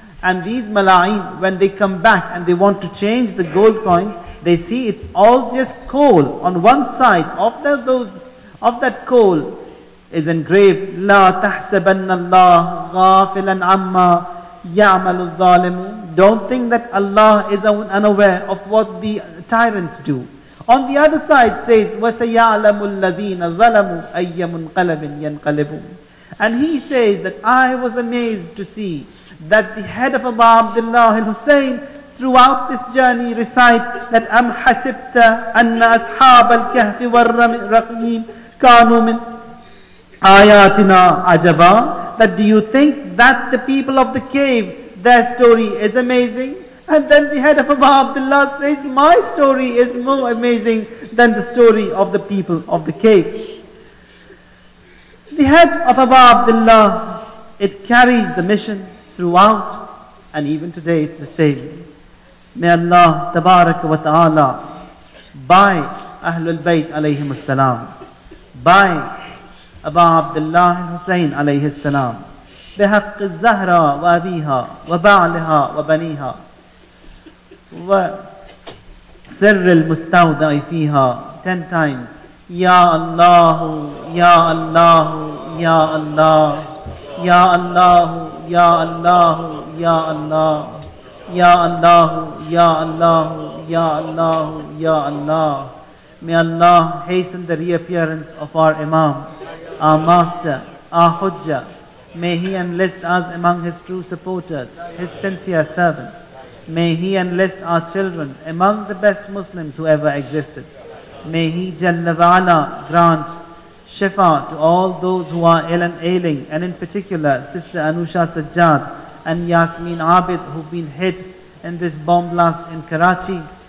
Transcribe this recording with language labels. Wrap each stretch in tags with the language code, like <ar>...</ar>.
<en>And these Mala'in, when they come back and they want to change the gold coins, they see it's all just coal. On one side of that coal is engraved,</en> <ar>La tahsabanna Allah ghafilan amma ya'malu dhalimu.</ar> <en>Don't think that Allah is unaware of what the tyrants do. On the other side says,</en> <ar>وَسَيَعْلَمُ الَّذِينَ ظَلَمُوا أَيَّ مُنْقَلَبٍ يَنْقَلِبُونَ.</ar> <en>And he says that I was amazed to see that the head of Abu Abdullah al-Hussein throughout this journey recite that</en> <ar>أَمْ حَسِبْتَ أَنَّ أَصْحَابَ الْكَهْفِ وَالرَّقِيمِ كَانُوا مِنْ آيَاتِنَا عَجَبًا.</ar> <en>That do you think that the people of the cave, their story is amazing? And then the head of Abu Abdullah says, my story is more amazing than the story of the people of the cave. The head of Abu Abdullah, it carries the mission throughout, and even today it's the same. May Allah tabarak wa ta'ala, by Ahlul Bayt alayhim as-salam, by Abu Abdullah Hussein alayhi as-salam,</en> <ar>بحق الزهرة وأبيها وبعلها وبنيها وسر المستودع فيها</ar> <en>10 times</en> <ar>يا الله يا الله يا الله يا الله يا الله يا الله يا الله يا الله يا الله يا الله.</ar> <en>May Allah hasten the reappearance of our Imam, our Master, our Hujjah. May he enlist us among his true supporters, his sincere servant. May he enlist our children among the best Muslims who ever existed. May he, Jalla wa'ala, grant shifa to all those who are ill and ailing, and in particular, Sister Anusha Sajjad and Yasmin Abid, who've been hit in this bomb blast in Karachi.</en>